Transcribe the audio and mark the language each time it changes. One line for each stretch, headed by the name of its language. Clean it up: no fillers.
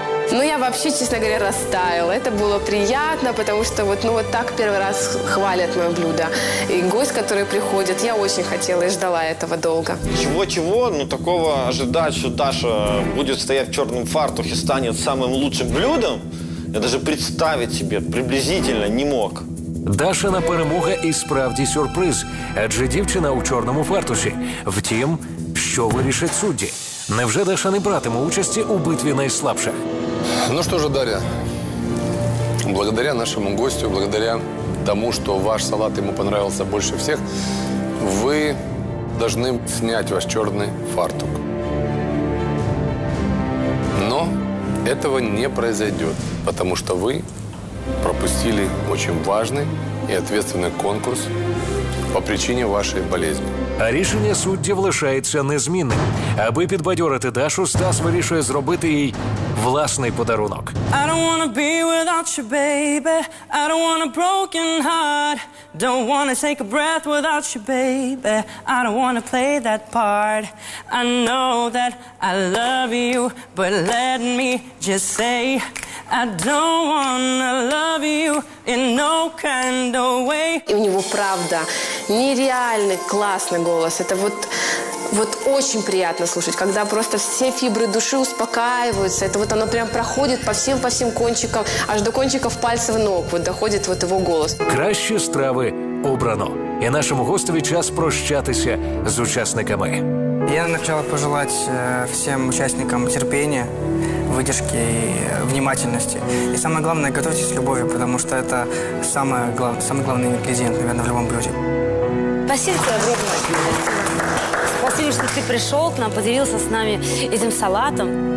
Russian: Ну, я вообще, честно говоря, растаяла. Это было приятно, потому что вот, ну, вот так первый раз хвалят мое блюдо. И гость, который приходит, я очень хотела и ждала этого долго. Чего-чего, но такого ожидать, что Даша будет стоять в черном фартухе, станет самым лучшим блюдом, я даже представить себе приблизительно не мог.
Ukrainian: Дашина перемога і справді сюрприз. Адже дівчина у чорному фартусі. Втім, що вирішать судді? Невже Даша не братиме участі у битві найслабших?
Russian: Ну что же, Дарья, благодаря нашему гостю, благодаря тому, что ваш салат ему понравился больше всех, вы должны снять ваш черный фартук. Но этого не произойдет, потому что вы пропустили очень важный и ответственный конкурс по причине вашей болезни.
Ukrainian: А рішення судді лишається незмінним. Аби підбадьорити Дашу, Стас вирішує зробити їй власний подарунок.
English: I don't wanna be without you, baby. I don't want a broken heart. Don't wanna take a breath without you, baby. I don't wanna play that part. I know that I love you, but let me just say I don't wanna love you in no kind of way.
Ukrainian: І в нього правда нереальний класний голос. Це
Russian: вот очень приятно слушать, когда просто все фибры души успокаиваются. Это вот оно прям проходит по всем кончикам, аж до кончиков пальцев ног. Вот доходит вот его голос.
Ukrainian: Кращі страви обрано. І нашому гостеві час прощатися з учасниками. Я хотів пожелати всім учасникам терпіння, видержки і внимательності. І
Russian: самое главное,
Ukrainian: готуйтесь к любові,
Russian: потому что это самый главный ингредиент, наверное, в любом блюде. Спасибо тебе огромное. Спасибо, что ты пришел к нам, поделился с нами этим салатом.